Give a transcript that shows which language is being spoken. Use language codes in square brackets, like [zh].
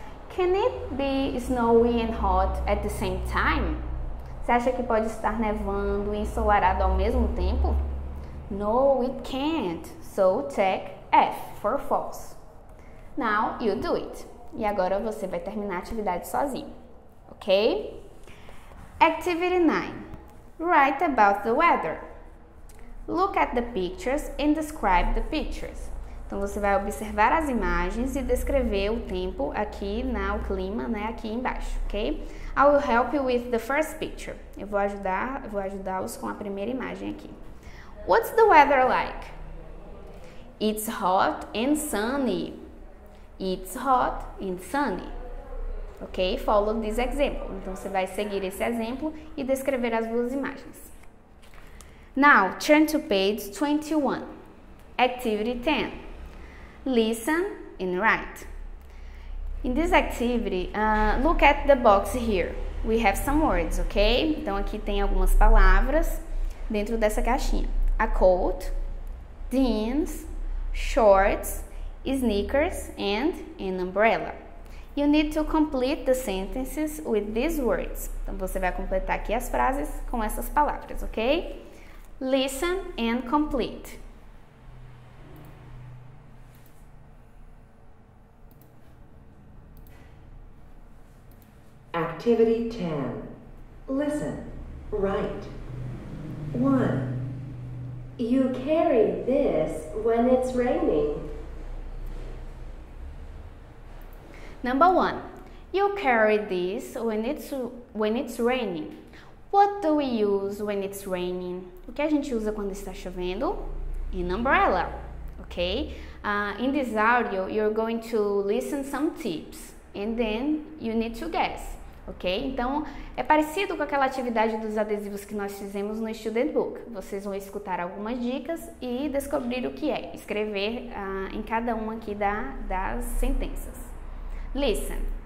[en] Can it be snowy and hot at the same time? [pt] Você acha que pode estar nevando e ensolarado ao mesmo tempo? [en] No, it can't. So, check F for false. Now, you do it. [pt] E agora você vai terminar a atividade sozinho. [en] Ok? Activity 9. Write about the weather. Look at the pictures and describe the pictures. [pt] Então, você vai observar as imagens e descrever o tempo aqui, né, o clima, né, aqui embaixo, ok? [en] I will help you with the first picture. [pt] Eu vou ajudá-los com a primeira imagem aqui. [en] What's the weather like? It's hot and sunny. It's hot and sunny. Ok? Follow this example. [pt] Então, você vai seguir esse exemplo e descrever as duas imagens. [en] Now, turn to page 21. Activity 10. Listen and write. In this activity, look at the box here. We have some words, ok? [pt] Então, aqui tem algumas palavras dentro dessa caixinha. [en] A coat, jeans, shorts, sneakers, and an umbrella. You need to complete the sentences with these words. [pt] Então, você vai completar aqui as frases com essas palavras, ok? [en] Listen and complete. Activity 10. Listen. Write. 1. You carry this when it's raining. Number 1. You carry this when it's raining. What do we use when it's raining? [pt] O que a gente usa quando está chovendo? [en] An umbrella. Okay? In this audio, you're going to listen some tips. And then you need to guess. Ok? [pt] Então, é parecido com aquela atividade dos adesivos que nós fizemos no Student Book. Vocês vão escutar algumas dicas e descobrir o que é. Escrever em cada uma aqui das sentenças. Listen.